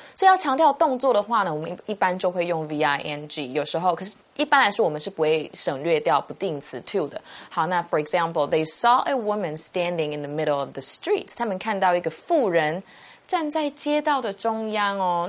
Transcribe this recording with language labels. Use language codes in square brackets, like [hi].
[zh] 所以要强调动作的话呢，我们一般就会用 V-I-N-G， 有时候，可是一般来说我们是不会省略掉不定词 to 的。好，那 [en] for example, they saw a woman standing in the middle of the street. [zh] 他们看到一个妇人站在街道的中央哦。